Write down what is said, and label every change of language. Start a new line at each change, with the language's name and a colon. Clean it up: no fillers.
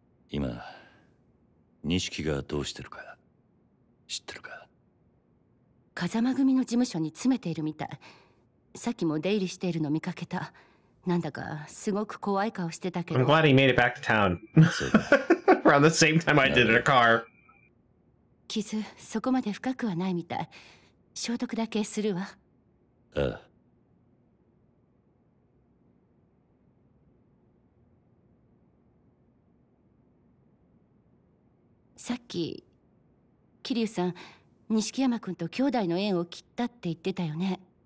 Japanese: 今、錦がどうしてるか知ってるか。風間組の事務所に詰めているみたい。さっきも出入りしているの見かけた。なんだかすごく怖い顔してたけど。
English: I'm glad he made it back to town. Around the same time I did in a car.
Japanese: 傷、そこまで深くはないみたい。消毒だけするわ。ああ。さっき、キリュウさん、錦山君と兄弟の縁を切ったって言ってたよね。